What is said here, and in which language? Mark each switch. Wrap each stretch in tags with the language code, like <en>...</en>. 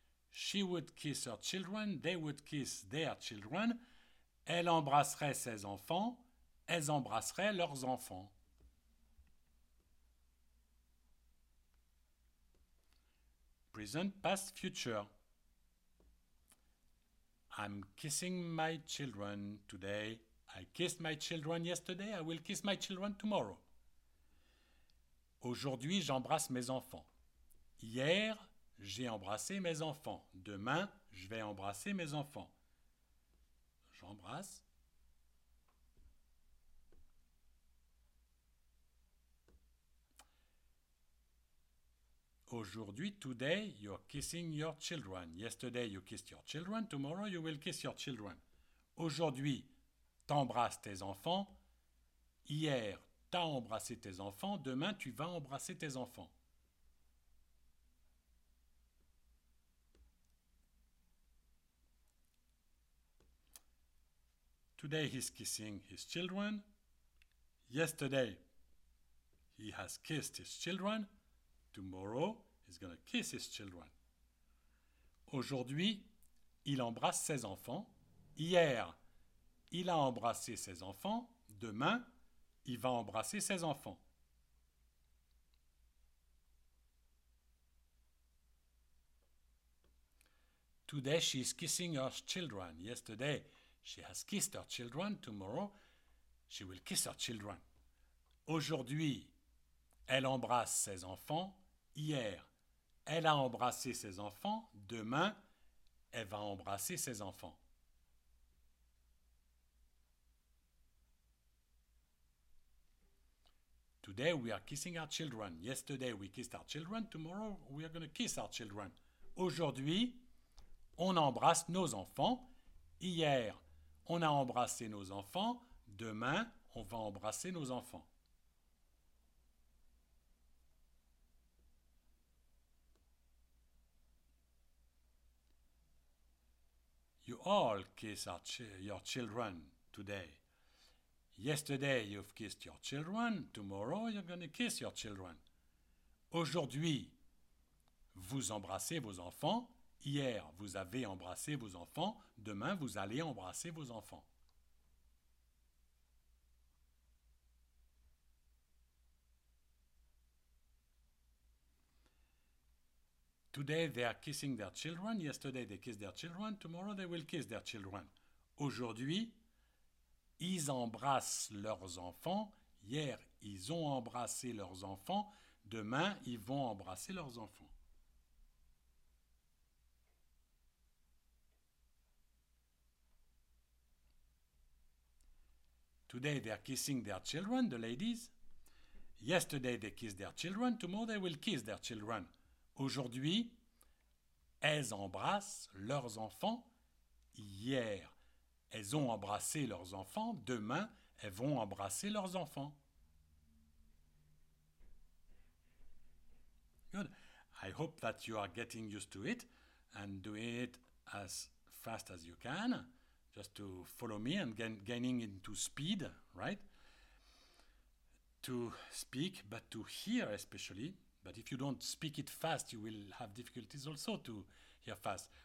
<en>She would kiss her children, they would kiss their children.</en> <fr>Elle embrasserait ses enfants, elles embrasseraient leurs enfants.</fr> <en>Present, past, future. I'm kissing my children today. I kissed my children yesterday. I will kiss my children tomorrow.</en> <fr>Aujourd'hui, j'embrasse mes enfants. Hier, j'ai embrassé mes enfants. Demain, je vais embrasser mes enfants. J'embrasse.</fr> <en>Aujourd'hui, today, you're kissing your children. Yesterday, you kissed your children. Tomorrow, you will kiss your children.</en> <fr>Aujourd'hui, t'embrasses tes enfants. Hier, t'as embrassé tes enfants. Demain, tu vas embrasser tes enfants.</fr> <en>Today, he's kissing his children. Yesterday, he has kissed his children. Tomorrow, he's going to kiss his children.</en> <fr>Aujourd'hui, il embrasse ses enfants. Hier, il a embrassé ses enfants. Demain, il va embrasser ses enfants.</fr> <en>Today, she's kissing her children. Yesterday, she has kissed her children. Tomorrow, she will kiss her children.</en> <fr>Aujourd'hui, elle embrasse ses enfants. Hier, elle a embrassé ses enfants. Demain, elle va embrasser ses enfants.</fr> <en>Today, we are kissing our children. Yesterday, we kissed our children. Tomorrow, we are going to kiss our children.</en> <fr>Aujourd'hui, on embrasse nos enfants. Hier, on a embrassé nos enfants. Demain, on va embrasser nos enfants.</fr> <en>You all kiss your children today. Yesterday, you've kissed your children. Tomorrow, you're going to kiss your children.</en> <fr>Aujourd'hui, vous embrassez vos enfants. Hier, vous avez embrassé vos enfants. Demain, vous allez embrasser vos enfants.</fr> <en>Today they are kissing their children. Yesterday they kissed their children. Tomorrow they will kiss their children. Aujourd'hui,</en> <fr>Ils embrassent leurs enfants. Hier, ils ont embrassé leurs enfants. Demain, ils vont embrasser leurs enfants.</fr> <en>Today, they are kissing their children, the ladies. Yesterday, they kissed their children. Tomorrow, they will kiss their children.</en> <fr>Aujourd'hui, elles embrassent leurs enfants. Hier, elles ont embrassé leurs enfants. Demain, elles vont embrasser leurs enfants.</fr> <en>Good. I hope that you are getting used to it and doing it as fast as you can, just to follow me and gaining into speed, right? To speak, but to hear especially. But if you don't speak it fast, you will have difficulties also to hear fast.</en>